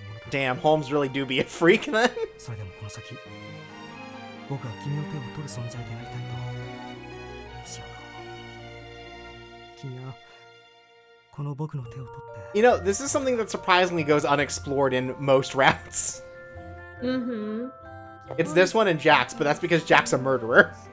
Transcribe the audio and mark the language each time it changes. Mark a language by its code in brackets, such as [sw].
[en] Damn, Holmes really do be a freak then. [ja] それでもこの先、僕は君の手を取る存在でありたいと強く。君はこの僕の手を取って。 [en] You know, this is something that surprisingly goes unexplored in most routes. Mm-hmm. It's this one and Jax, but that's because Jax a murderer.